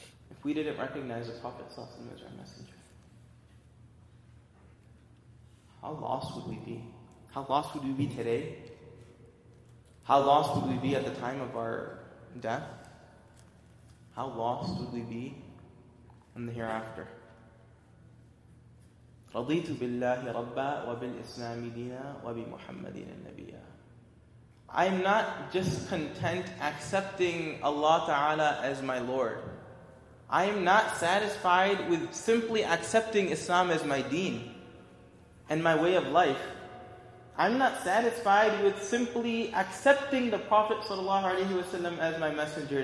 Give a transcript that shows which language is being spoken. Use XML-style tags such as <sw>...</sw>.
<en>If we didn't recognize the Prophet sallallahu alaihi wasallam as our messenger, how lost would we be? How lost would we be today? How lost would we be at the time of our death? How lost would we be in the hereafter?</en> <ar>رضيت بالله ربا وبالإسلام دينا وبمحمد النبي.</ar> <en>I'm not just content accepting Allah Ta'ala as my Lord. I am not satisfied with simply accepting Islam as my deen and my way of life. I'm not satisfied with simply accepting the Prophet sallallahu alaihi wasallam as my messenger.</en>